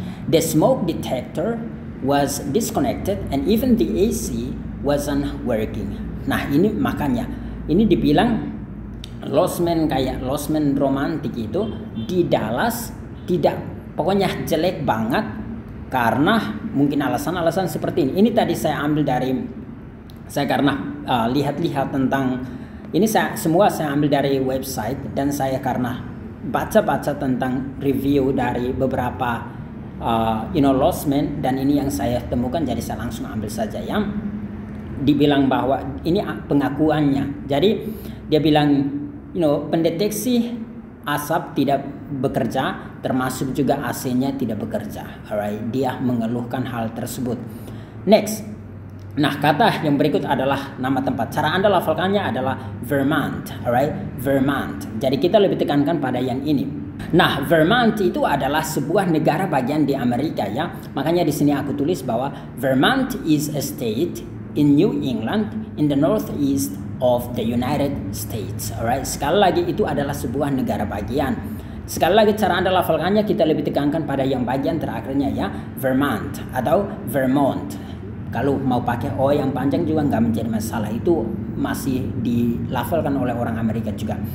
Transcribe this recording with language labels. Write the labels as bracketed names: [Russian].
[English] The smoke detector was disconnected and even the AC wasn't working. [Indonesian] Nah, ini makanya ini dibilang lost man, kayak lost man romantik itu di Dallas tidak, pokoknya jelek banget karena mungkin alasan-alasan seperti ini. Ini tadi saya ambil dari saya karena lihat-lihat tentang Ini semua saya ambil dari website, dan saya karena baca-baca tentang review dari beberapa Lost Men, dan ini yang saya temukan, jadi saya langsung ambil saja. Yang dibilang bahwa ini pengakuannya, jadi dia bilang, pendeteksi asap tidak bekerja, termasuk juga AC-nya tidak bekerja. Alright, dia mengeluhkan hal tersebut. Next. Nah, kata yang berikut adalah nama tempat. Cara Anda lafalkannya adalah Vermont. Alright, Vermont. Jadi kita lebih tekankan pada yang ini. Nah, Vermont itu adalah sebuah negara bagian di Amerika, ya. Makanya di sini aku tulis bahwa [English] Vermont is a state in New England in the northeast of the United States. [Indonesian] Alright, sekali lagi itu adalah sebuah negara bagian. Sekali lagi cara Anda lafalkannya, kita lebih tekankan pada yang bagian terakhirnya, ya. Vermont atau Vermont. Kalau mau pakai O yang panjang juga nggak menjadi masalah. Itu masih dilafalkan oleh orang Amerika juga.